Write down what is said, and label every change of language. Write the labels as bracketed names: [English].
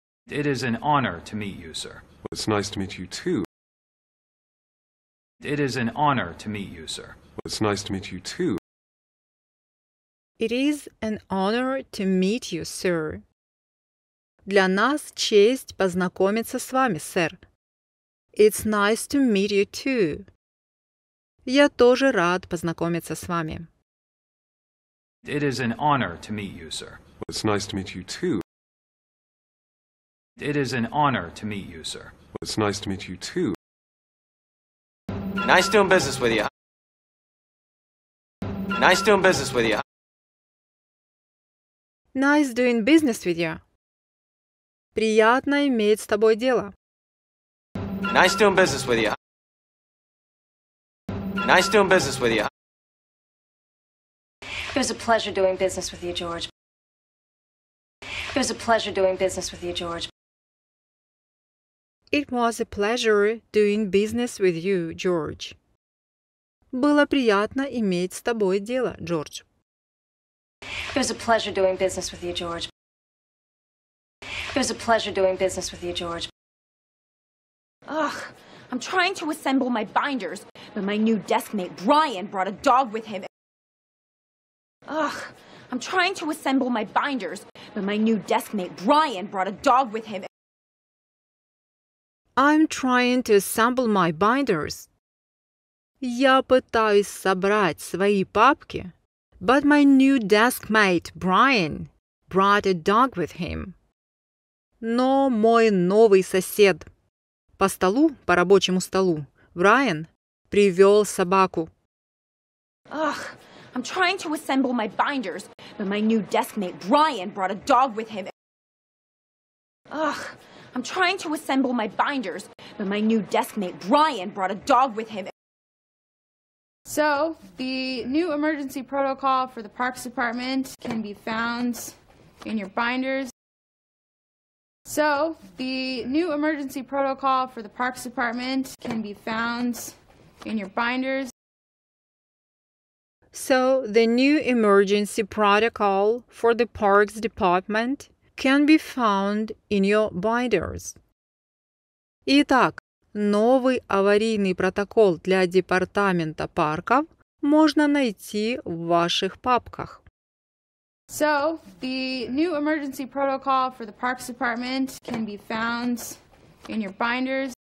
[English] It is an honor to meet you, sir. Well, it's nice to meet you too. It is an honor to meet you, sir. Well, it's nice to meet you too. It is an honor to meet you, sir. [Russian] Для нас честь познакомиться с вами, сэр. [English] It's nice to meet you too. [Russian] Я тоже рад познакомиться с вами. [English] It is an honor to meet you, sir. Well, it's nice to meet you too. It is an honor to meet you, sir. Well, it's nice to meet you too. Nice doing business with you. Nice doing business with you. Nice doing business with you. [Russian] Приятно иметь с тобой дело. [English] Nice doing business with you. Nice doing business with you. It was a pleasure doing business with you, George. It was a pleasure doing business with you, George. It was a pleasure doing business with you, George. [Russian] Было приятно иметь с тобой дело, Джордж. [English] It was a pleasure doing business with you, George. It was a pleasure doing business with you, George. Ugh, I'm trying to assemble my binders, but my new deskmate, Brian, brought a dog with him. Ugh, I'm trying to assemble my binders, but my new deskmate, Brian, brought a dog with him. I'm trying to assemble my binders. [Russian] Я пытаюсь собрать свои папки, [English] but my new deskmate, Brian, brought a dog with him. [Russian] Но мой новый сосед по столу, по рабочему столу, Брайан, привел собаку. Ugh. [English] I'm trying to assemble my binders, but my new deskmate, Brian, brought a dog with him. Ugh, I'm trying to assemble my binders, but my new deskmate, Brian, brought a dog with him. So, the new emergency protocol for the Parks Department can be found in your binders. So, the new emergency protocol for the Parks Department can be found in your binders. So, the new emergency protocol for the Parks Department can be found in your binders. [Russian] Итак, новый аварийный протокол для департамента парков можно найти в ваших папках. [English] So, the new emergency protocol for the Parks Department can be found in your binders.